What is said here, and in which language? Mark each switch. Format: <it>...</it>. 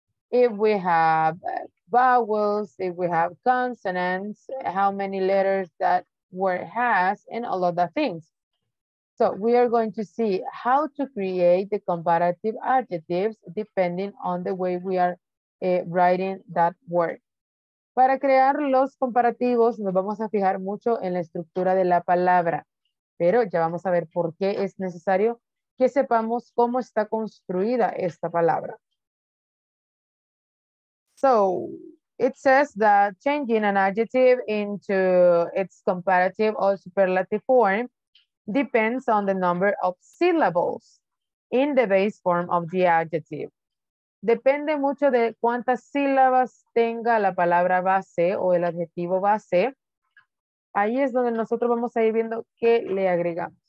<en>If we have vowels, if we have consonants, how many letters that word has, and all of the things. So we are going to see how to create the comparative adjectives depending on the way we are writing that word.</en> <es>Para crear los comparativos, nos vamos a fijar mucho en la estructura de la palabra, pero ya vamos a ver por qué es necesario que sepamos cómo está construida esta palabra.</es> <en>So, it says that changing an adjective into its comparative or superlative form depends on the number of syllables in the base form of the adjective.</en> <es>Depende mucho de cuántas sílabas tenga la palabra base o el adjetivo base. Ahí es donde nosotros vamos a ir viendo qué le agregamos.</es>